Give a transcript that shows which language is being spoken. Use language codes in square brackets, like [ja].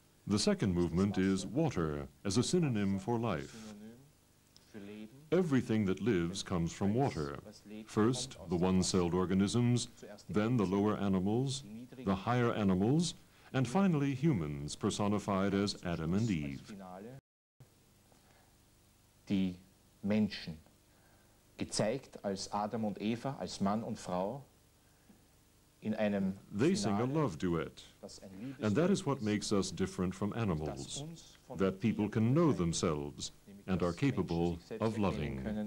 [en] The second movement is water as a synonym for life. Everything that lives comes from water. First, the one-celled organisms, then the lower animals, the higher animals, and finally humans, personified as Adam and Eve. [de] Die Menschen, gezeigt als Adam und Eva, als Mann und Frau, in einem [en] They sing a love duet, and that is what makes us different from animals, that people can know themselves and are capable of loving.